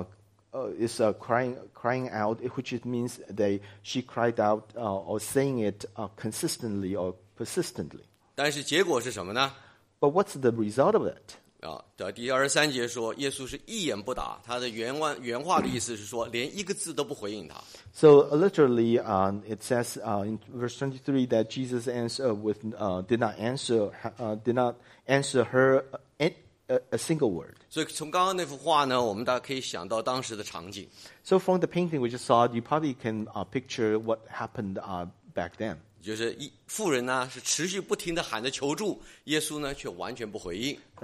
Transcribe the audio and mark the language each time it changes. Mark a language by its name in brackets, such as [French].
[English] So it says this Canaanite woman is crying out, which it means that she cried out or saying it consistently or persistently. [Chinese] 但是结果是什么呢？ [English] But what's the result of it? [Chinese] 第二十三节说，耶稣是一言不答。他的原话的意思是说，连一个字都不回应他。 [English] So literally, it says in verse 23 that Jesus did not answer her a single word. [Chinese] 所以从刚刚那幅画呢，我们大家可以想到当时的场景。 [English] So from the painting we just saw, you probably can picture what happened back then. [Chinese] 就是妇人呢是持续不停地喊着求助，耶稣呢却完全不回应。